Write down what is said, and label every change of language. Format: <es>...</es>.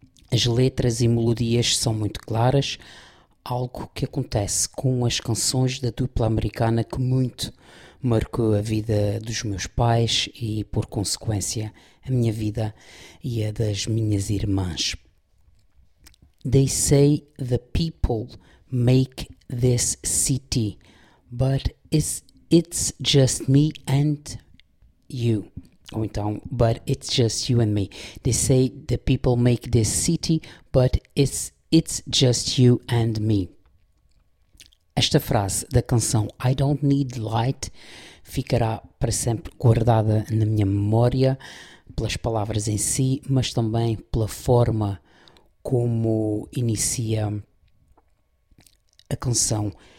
<pt>As letras e melodias são muito claras, algo que acontece com as canções da dupla americana que muito marcou a vida dos meus pais e, por consequência, a minha vida e a das minhas irmãs.</pt> <en>They say the people make this city, but it's just me and you.</en> <pt>Ou então,</pt> <en>but it's just you and me. They say the people make this city, but it's just you and me.</en> <pt>Esta frase da canção I Don't Need Light ficará para sempre guardada na minha memória pelas palavras em si, mas também pela forma como inicia a canção.</pt>